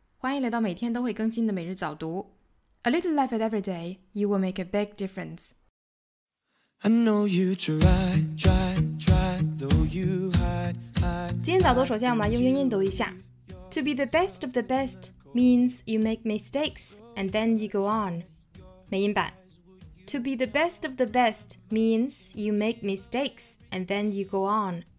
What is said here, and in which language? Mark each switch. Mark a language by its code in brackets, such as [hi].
[zh] 欢迎来到每天都会更新的每日早读。 [en] A little life at every day, you will make a big difference. I know you try, try, try, though you hide, hide. [zh] 今天早读首先我们来用英音读一下。 [en] To be the best of the best means you make mistakes and then you go on. [zh] 美音版。 [en] To be the best of the best means you make mistakes and then you go on.